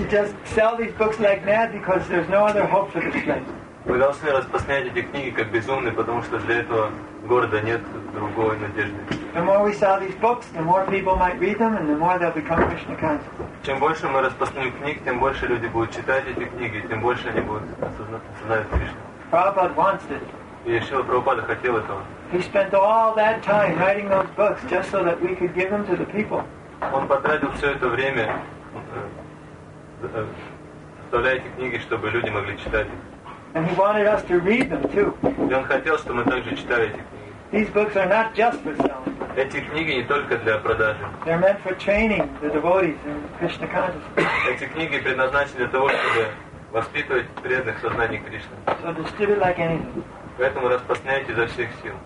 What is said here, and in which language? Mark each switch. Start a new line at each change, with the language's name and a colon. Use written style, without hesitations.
English: We should just sell these books like mad because there's no other hope for this place.
Russian: Мы должны распространять эти книги как безумные, потому что для этого города нет другой надежды.
English: The more we sell these books, the more people might read them, and the more they'll become Krishna conscious.
Russian: Чем больше мы распространим книг, тем больше люди будут читать эти книги, тем больше они будут осознавать Кришну.
English: Prabhupada wants it.
Russian: И Шрила Прабхупада хотел этого.
English: He spent all that time writing those books just so that we could give them to the people.
Russian: Он потратил все это время, составляя эти книги, чтобы люди могли читать их.
English: And he wanted us to read them too.
Russian: И он хотел, чтобы мы также читали эти книги.
English: These books are not just for selling.
Russian: Эти книги не только для продажи.
English: They're meant for training the devotees in Krishna consciousness.
Russian: Эти книги предназначены для того, чтобы воспитывать преданных в сознании Кришны.
English: So distribute like anything.
Russian: Поэтому распространяйте изо всех сил.